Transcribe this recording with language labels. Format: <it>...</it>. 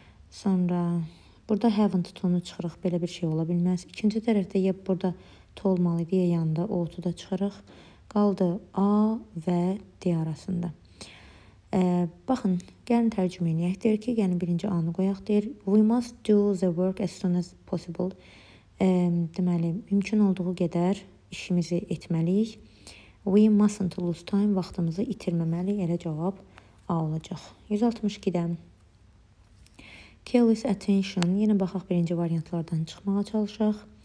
<az>Sonra burada haven't to-nu çıxırıq. Belə bir şey ola bilməz. İkinci tərəfdə ya burada to olmalıdır, ya yanında. O to da çıxırıq. Qaldı A və D arasında. Baxın, gəlin tərcümə eləyək. Deyir ki, gəlin birinci A-nı qoyaq. Deyir,</az> <en>we must do the work as soon as possible.</en> <az>Deməli, mümkün olduğu qədər işimizi etməliyik.</az> <en>We mustn't lose time,</en> <az>vaxtımızı itirməməli, elə cavab A olacaq. 162-də, careless attention, yenə baxaq birinci variantlardan çıxmağa çalışaq.</az>